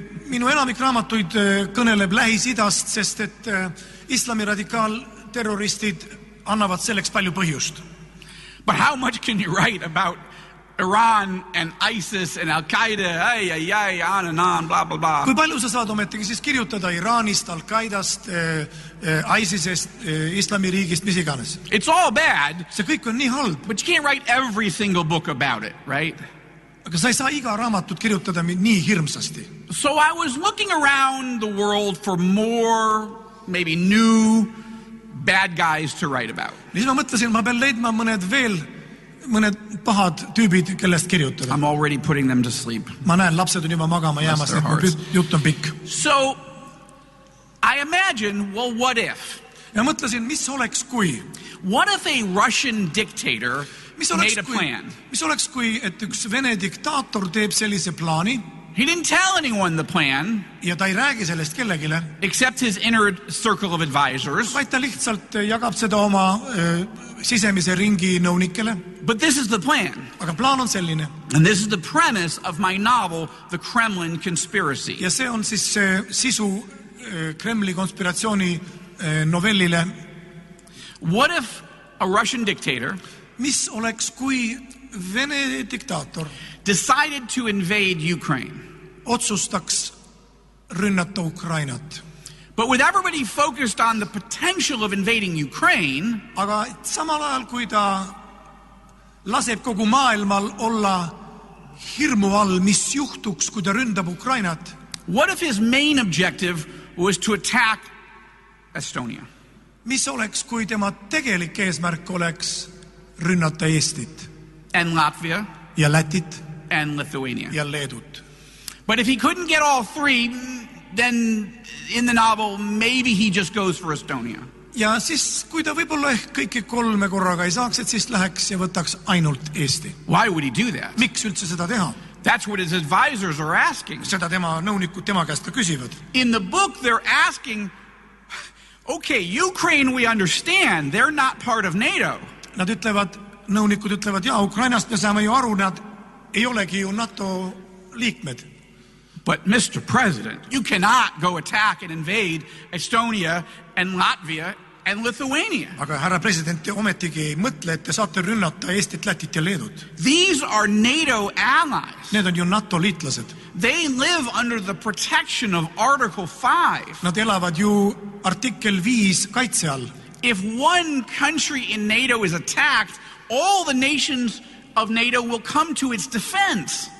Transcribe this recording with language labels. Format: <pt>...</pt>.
<et>Minu enamik raamatuid kõneleb Lähis-Idast, sest et islami radikaal terroristid annavad selleks palju põhjust.</et> <en>But how much can you write about Iran and ISIS and Al-Qaeda, ay ay ay, on and on, blah blah blah.</en> <et>Kui palju sa saad ometegi siis kirjutada Iranist, Al-Qaedast, ISISest, islami riigist, mis iganes?</et> <en>It's all bad.</en> <et>See kõik on nii halb.</et> <en>But you can't write every single book about it, right?</en> <et>Aga sa ei saa iga raamatut kirjutada nii hirmsasti.</et> <en>So I was looking around the world for more, maybe new bad guys to write about.</en> <et>Siis ma mõtlesin, ma pean leidma mõned pahad tüübid, kellest kirjutada.</et> <en>I'm already putting them to sleep.</en> <et>Ma näen, lapsed on juba magama jäämas, et jutt on pikk.</et> <en>So, I imagine, well, what if?</en> <et>Ja mõtlesin, mis oleks kui?</et> <en>What if a Russian dictator made a plan?</en> <et>Mis oleks kui, et üks Vene diktaator teeb sellise plaani?</et> <en>He didn't tell anyone the plan.</en> <et>Ja ta ei räägi sellest kellegile.</et> <en>Except his inner circle of advisors.</en> <et>Vaid ta lihtsalt jagab seda oma sisemise ringi nõunikele.</et> <en>But this is the plan.</en> <et>Aga plaan on selline.</et> <en>And this is the premise of my novel, The Kremlin Conspiracy.</en> <et>Ja see on siis sisu Kremli konspiratsiooni novellile.</et> <en>What if a Russian dictator?</en> <et>Mis oleks kui Vene diktaator?</et> <en>Decided to invade Ukraine.</en> <et>Otsustaks rünnata Ukrainat.</et> <en>But with everybody focused on the potential of invading Ukraine,</en> <et>aga samal ajal kui ta laseb kogu maailmal olla hirmu all, mis juhtuks, kui ta ründab Ukrainat.</et> <en>What if his main objective was to attack Estonia?</en> <et>Mis oleks, kui tema tegelik eesmärk oleks rünnata Eestit?</et> <en>And Latvia?</en> <et>Ja Lätit?</et> <en>And Lithuania.</en> <et>Ja Leedut.</et> <en>But if he couldn't get all three, then in the novel, maybe he just goes for Estonia.</en> <et>Ja siis, kui ta võib-olla ehk kõike kolme korraga ei saaks, et siis läheks ja võtaks ainult Eesti.</et> <en>Why would he do that?</en> <et>Miks üldse seda teha?</et> <en>That's what his advisors are asking.</en> <et>Seda tema nõunikud tema käest ka küsivad.</et> <en>In the book, they're asking, okay, Ukraine, we understand, they're not part of NATO.</en> <et>Nad ütlevad, nõunikud ütlevad, jah, Ukrainast me saame ju aru, nad ei olegi ju NATO liikmed.</et> <en>But Mr. President, you cannot go attack and invade Estonia and Latvia and Lithuania.</en> <et>Aga härra president, te ometigi mõtle, et te saate rünnata Eestit, Lätit ja Leedut.</et> <en>These are NATO allies.</en> <et>Need on ju NATO liitlased.</et> <en>They live under the protection of Article 5.</en> <et>Nad elavad ju artikkel 5 kaitse all.</et> <en>If one country in NATO is attacked, all the nations of NATO will come to its defense.</en>